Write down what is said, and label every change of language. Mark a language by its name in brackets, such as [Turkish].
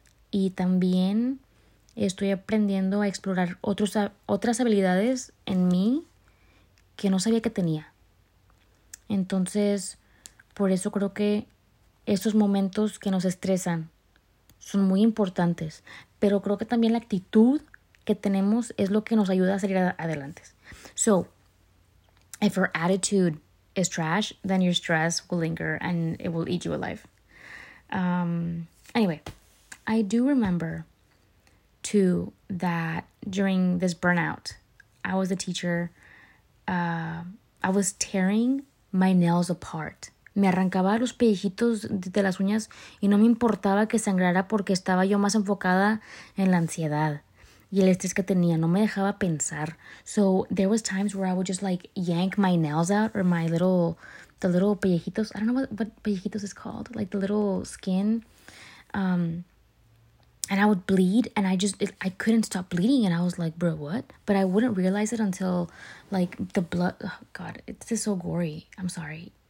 [Spanish] Y también estoy aprendiendo a explorar otras habilidades en mí que no sabía que tenía. Entonces, por eso creo que esos momentos que nos estresan son muy importantes. Pero creo que también la actitud que tenemos es lo que nos ayuda a salir adelante. [English] So, if our attitude is trash, then your stress will linger and it will eat you alive. Anyway, I do remember too that during this burnout, I was a teacher. I was tearing my nails apart. [Spanish] Me arrancaba los pellejitos de las uñas y no me importaba que sangrara porque estaba yo más enfocada en la ansiedad y el estrés que tenía. No me dejaba pensar. [English] So there was times where I would just like yank my nails out, or the little pellejitos. I don't know what pellejitos is called. Like the little skin. And I would bleed and I couldn't stop bleeding. And I was like, bro, what? But I wouldn't realize it until like the blood. Oh God, it's just so gory. I'm sorry.